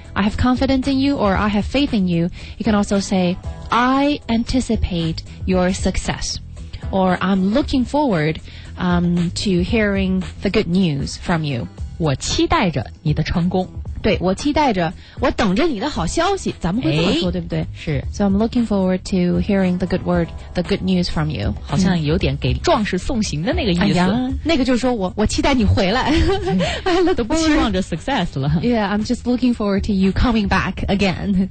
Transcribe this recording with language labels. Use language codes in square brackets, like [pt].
[en] I have confidence in you or I have faith in you. You can also say, I anticipate your success. Or I'm looking forward, to hearing the good news from you. [zh] 我期待着你的成功。对，我期待着，我等着你的好消息。咱们会这么说，对不对？是。 [en] So I'm looking forward to hearing the good word, the good news from you. [zh] 好像有点给壮士送行的那个意思。哎呀，那个就是说我期待你回来。都不期望着 success 了。 [en] Yeah, I'm just looking forward to you coming back again.